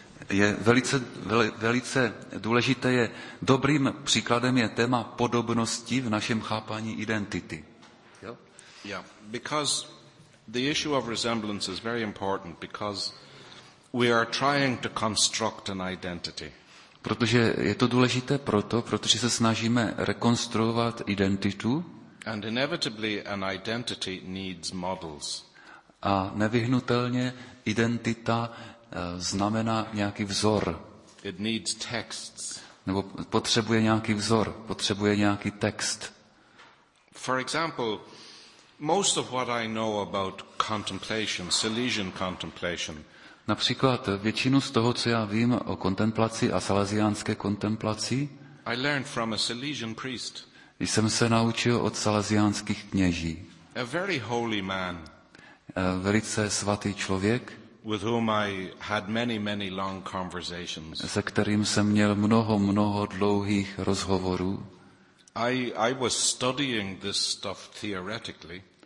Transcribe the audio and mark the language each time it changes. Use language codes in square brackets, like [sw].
[cs] Je velice, velice důležité, je dobrým příkladem je téma podobnosti v našem chápání identity. [en] Yeah, because the issue of resemblance is very important because we are trying to construct an identity. [cs] Protože je to důležité proto, protože se snažíme rekonstruovat identitu. [en] And inevitably an identity needs models. [cs] A nevyhnutelně identita znamená nějaký vzor. [en] It needs texts. [cs] Nebo potřebuje nějaký vzor, potřebuje nějaký text. [en] For example, most of what I know about contemplation, Salesian contemplation. [cs] Například většinu z toho, co já vím o kontemplaci a salesiánské kontemplaci, [en] I learned from a Salesian priest. [cs] Jsem se naučil od salesiánských kněží. [en] A very holy man. [cs] A velice svatý člověk. [en] With whom I had many, many long conversations. [cs] Se kterým jsem měl mnoho, mnoho dlouhých rozhovorů. [en] I was studying this stuff theoretically.